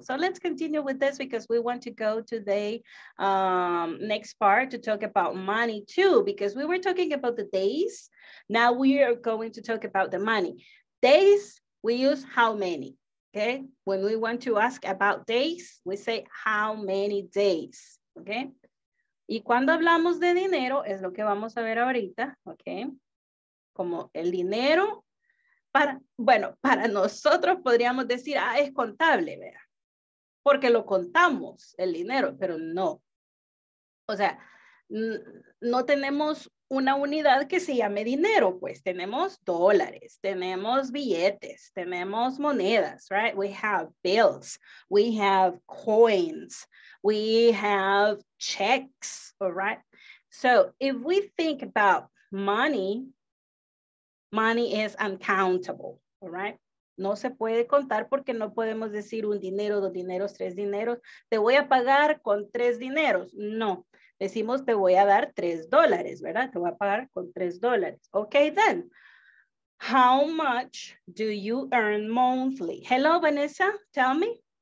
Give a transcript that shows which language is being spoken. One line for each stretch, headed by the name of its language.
English: So let's continue with this because we want to go to the next part to talk about money too, because we were talking about the days. Now we are going to talk about the money. Days, we use how many? Okay, when we want to ask about days, we say how many days, okay?
Spanish: Y cuando hablamos de dinero, es lo que vamos a ver ahorita, okay? Como el dinero, para nosotros podríamos decir, ah, es contable, ¿verdad? Porque lo contamos, el dinero, pero no. O sea, no tenemos una unidad que se llame dinero, pues tenemos dólares, tenemos billetes, tenemos monedas, right?
English: We have bills, we have coins, we have checks, all right? So if we think about money, money is uncountable, all right?
Spanish: No se puede contar porque no podemos decir un dinero, dos dineros, tres dineros, te voy a pagar con tres dineros, no. Decimos, te voy a dar $3, ¿verdad? Te voy a pagar con $3.
English: Okay, then. How much do you earn monthly? Hello, Vanessa. Tell me.